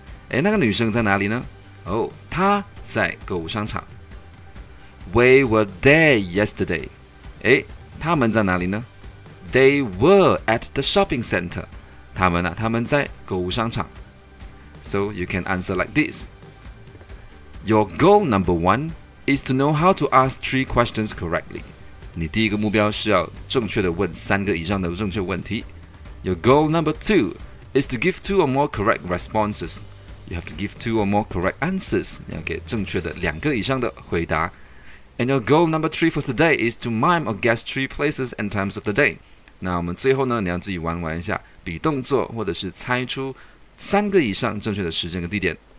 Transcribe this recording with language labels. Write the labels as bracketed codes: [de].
[zh] 诶，那个女生在哪里呢？哦，她在购物商场。 [en] Where were they yesterday? [zh] 诶，他们在哪里呢？ [en] They were at the shopping center. [zh] 他们啊，他们在购物商场。 [en] So you can answer like this. Your goal number one is to know how to ask three questions correctly. [zh] 你第一个目标是要正确地问三个以上的正确问题。 [en] Your goal number two is to give two or more correct responses. You have to give two or more correct answers. [zh] 你要给正确的两个以上的回答。 [en] And your goal number three for today is to mime or guess three places and times of the day. [zh] 那我们最后呢，你要自己玩玩一下比动作或者是猜出三个以上正确的时间和地点。